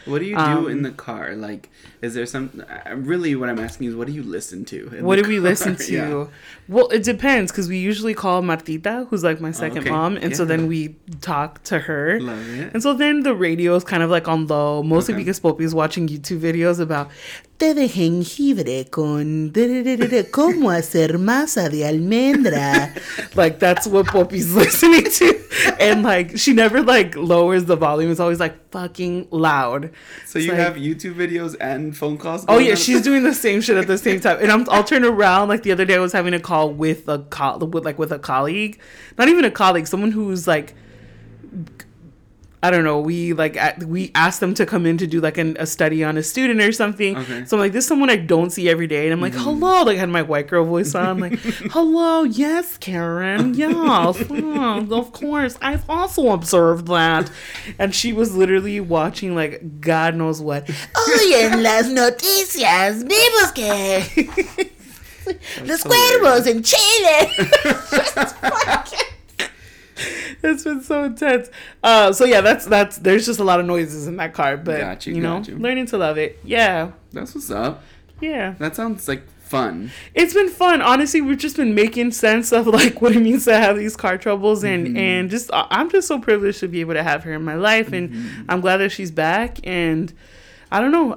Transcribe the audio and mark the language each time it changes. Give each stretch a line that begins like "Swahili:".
English: What do you do in the car? Like, is there some... Really, what I'm asking is, what do you listen to? What do we listen to? Yeah. Well, it depends, because we usually call Martita, who's like my second mom. And so then we talk to her. Love it. And so then the radio is kind of like on low, mostly because Popi is watching YouTube videos about...
Spanish: Te de jengibre con cómo hacer masa de almendra.
English: Like, that's what Poppy's listening to. And, like, she never, like, lowers the volume. It's always, like, fucking loud. So it's you, like, have YouTube videos and phone calls? Oh, yeah. She's doing the same shit at the same time. And I'll turn around. Like, the other day I was having a call with a colleague. Not even a colleague. Someone who's, like... I don't know, we asked them to come in to do, like, a study on a student or something. Okay. So I'm like, this is someone I don't see every day. And I'm like, hello. Like, I had my white girl voice on. I'm like, hello, yes, Karen, yes, of course. I've also observed that. And she was literally watching, like, God knows what.
Spanish: Hoy en las noticias, vimos que los cuervos en Chile.
English: It's been so intense. So yeah, that's there's just a lot of noises in that car, but got you. Learning to love it. Yeah. That's what's up. Yeah. That sounds like fun. It's been fun. Honestly, we've just been making sense of, like, what it means to have these car troubles, and and just I'm just so privileged to be able to have her in my life, and I'm glad that she's back, and I don't know.